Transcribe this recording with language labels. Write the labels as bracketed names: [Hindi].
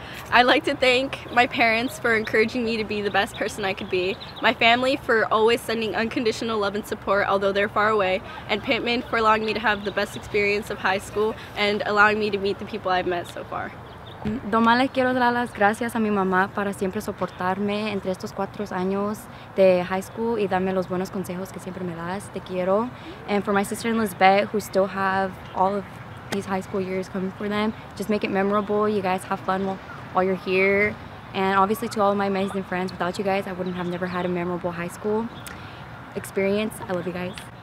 [English] I'd like to thank my parents for encouraging me to be the best person I could be, my family for always sending unconditional love and support although they're far away, and Pittman for allowing me to have the best experience of high school and allowing me to meet the people I've met so far. [Spanish] Nomás les quiero dar las gracias a mi mamá para siempre soportarme entre estos 4 años de high school y darme los buenos consejos que siempre me das. Te quiero. [English] And for my sister Elizabeth, who still have all of these high school years coming for them, just make it memorable. You guys have fun while you're here. And obviously to all of my amazing friends, without you guys, I wouldn't have never had a memorable high school experience. I love you guys.